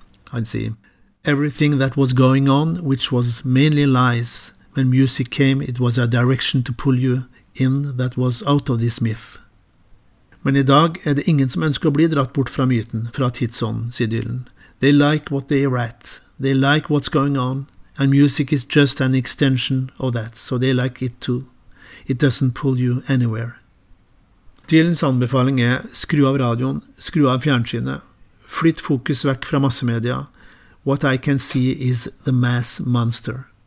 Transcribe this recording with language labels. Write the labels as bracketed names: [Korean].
[Norwegian] Han sier, [English] Everything that was going on, which was mainly lies, when music came, it was a direction to pull you in that was out of this myth. [Norwegian] Men I dag det ingen som ønsker å bli dratt bort fra myten, fra tidsånden, sier Dylan. [English] They like what they are at. They like what's going on. And music is just an extension of that, so they like it too. It doesn't pull you anywhere. [Norwegian] Dylans anbefaling skru av radioen, skru av fjernsynet, flytt fokus vekk fra massemedia. [English] What I can see is the mass monster.